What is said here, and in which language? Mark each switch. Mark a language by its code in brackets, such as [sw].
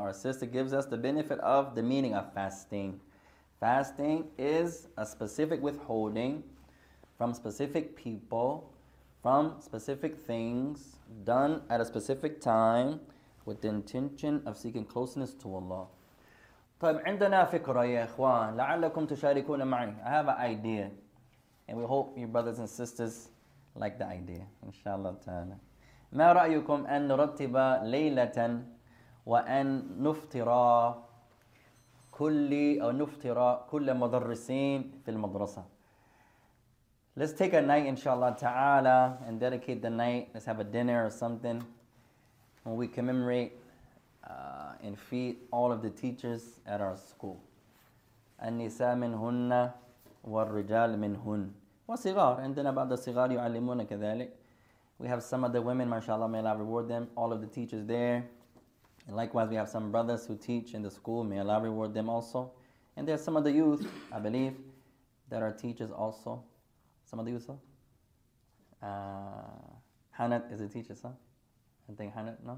[en] Our sister gives us the benefit of the meaning of fasting. Fasting is a specific withholding from specific people, from specific things done at a specific time with the intention of seeking closeness to Allah. [ar] طيب عندنا فكرة يا إخوان لعلكم تشاركون معي. [en] I have an idea. And we hope you brothers and sisters like the idea. InshaAllah ta'ala. [ar] ما رأيكم أن نرتب ليلة وأن نفطر كل أو نفطر كل مدرسين في المدرسة. [en] Let's take a night, inshallah ta'ala, and dedicate the night. Let's have a dinner or something when we commemorate and feed all of the teachers at our school. [ar] النساء منهن والرجال منهن. وصغار عندنا بعض الصغار يعلمون كذلك. [en] We have some of the women, mashallah, may Allah reward them, all of the teachers there. And likewise, we have some brothers who teach in the school, may Allah reward them also. And there's some of the youth, I believe, that are teachers also. Some of the youth, Hanat is a teacher, sir? I think Hanat, no?